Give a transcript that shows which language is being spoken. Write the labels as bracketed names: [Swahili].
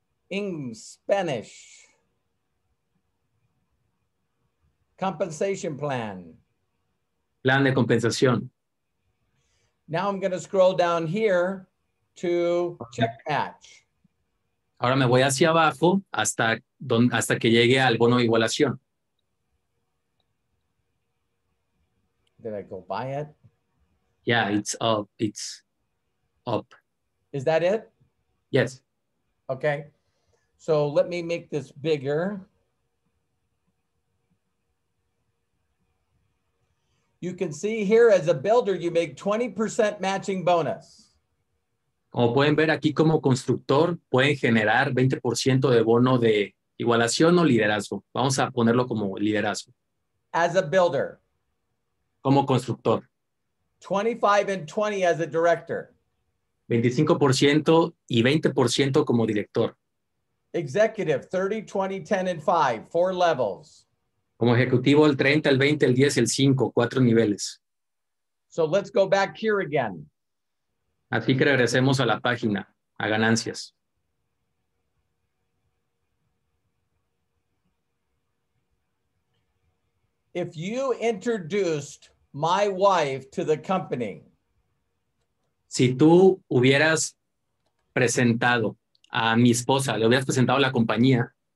[English] English, Spanish. Compensation plan. [Spanish] Plan de compensación. [English] Now I'm going to scroll down here to check match. [Spanish] Ahora me voy hacia abajo hasta donde, hasta que llegue al bono de igualación. [English] Did I go buy it? Yeah, it's up. It's up. Is that it? Yes. Okay. So let me make this bigger. You can see here as a builder, you make 20% matching bonus. [Spanish] Como pueden ver aquí como constructor, pueden generar 20% de bono de igualación o liderazgo. Vamos a ponerlo como liderazgo. [English] As a builder. [Spanish] Como constructor. [English] 25 and 20 as a director. [Spanish] 25% y 20% como director. [English] Executive, 30, 20, 10, and 5, 4 levels. [Spanish] Como ejecutivo, el 30, el 20, el 10, el 5, 4 niveles. [English] So let's go back here again. [Spanish] Así que regresemos a la página, a ganancias. [English] If you introduced my wife to the company, [Spanish] si tú hubieras presentado a mi esposa, le hubieras presentado a la compañía.